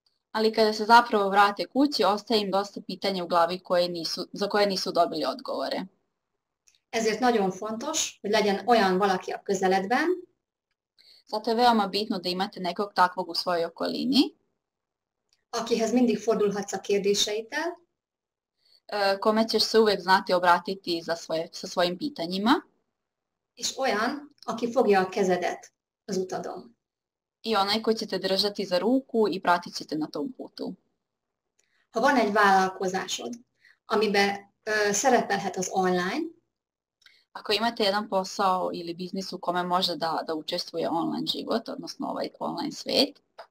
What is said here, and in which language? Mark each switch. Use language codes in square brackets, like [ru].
[hr] Ali kada se zapravo vrate kući, ostaje im dosta pitanja u glavi za koje nisu dobili odgovore. [hu] Ezért nagyon fontos, hogy legyen olyan valaki a közeledben. [hr] Zato je veoma bitno da imate nekog takvog u svojoj okolini. [hu] Akihez mindig fordulhatsz a kérdéseiddel. [hr] Kome ćeš se uvek znati obratiti sa svojim pitanjima. [hu] És olyan, aki fogja a kezedet az utadon. [hr] I onaj koji će te držati za ruku i pratit će te na tom putu. [hu] Ha van egy vállalkozásod, amiben szerepelhet az online, [hr] ako imate jedan posao ili biznis u kome može da učestvuje online život, odnosno ovaj online svet,